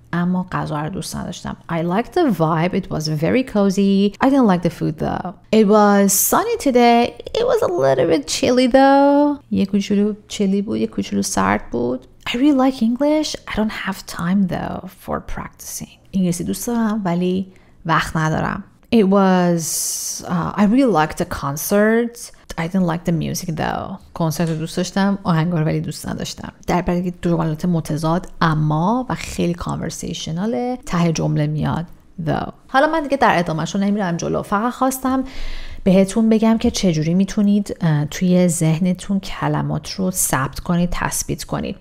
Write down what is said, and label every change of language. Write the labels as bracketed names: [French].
[Persian] اما غذا رو دوست نداشتم. [English] I liked the vibe. It was very cozy. I didn't like the food though. It was sunny today. It was a little bit chilly though. [Persian] یه کوچولو چلی بود. یه کوچولو سرد بود. [English] I really like English. I don't have time though for practicing. [Persian] انگلیسی دوست دارم ولی وقت ندارم. [English] It was... I really liked the concert. I didn't like the music though. [Persian] کنسرت رو دوست داشتم، آهنگا رو ولی دوست نداشتم. در برای دو جملات متضاد اما و خیلی کانورسیشنال ته جمله میاد though. حالا من دیگه در ادامهش رو نمیرم جلو، فقط خواستم بهتون بگم که چجوری میتونید توی ذهنتون کلمات رو ثبت کنید، تثبیت کنید.